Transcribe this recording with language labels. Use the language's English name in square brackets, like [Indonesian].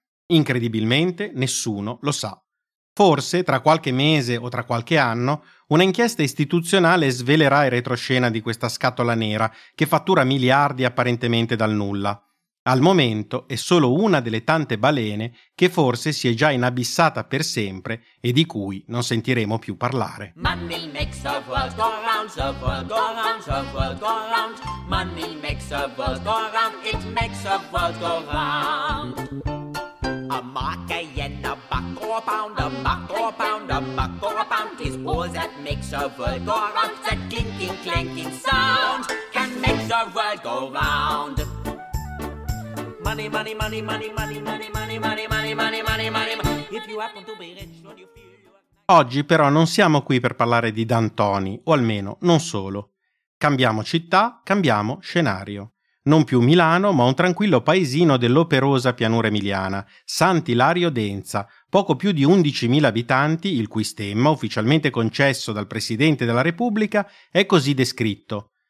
[Italian] Incredibilmente, nessuno lo sa. Forse, tra qualche mese o tra qualche anno, una inchiesta istituzionale svelerà il retroscena di questa scatola nera che fattura miliardi apparentemente dal nulla. Al momento è solo una delle tante balene che forse si è già inabissata per sempre e di cui non sentiremo più parlare. [English] Money makes the world go round, the world go round, the world go round. Money makes the world go round, it makes the world go round. A mark, a yen, a buck or a pound, a buck or a pound, a buck or a pound is all that makes the world go round. That clinking, clanking sound can make the world go round. Money, money, money, money, money, money, money, money, money, money, money, money. If you happen to be rich, don't you feel you are... [Italian] Oggi però non siamo qui per parlare di D'Antoni, o almeno non solo. Cambiamo città, cambiamo scenario. Non più Milano, ma un tranquillo paesino dell'operosa pianura emiliana, Sant'Ilario d'Enza, poco più di 11.000 abitanti, il cui stemma, ufficialmente concesso dal Presidente della Repubblica, è così descritto: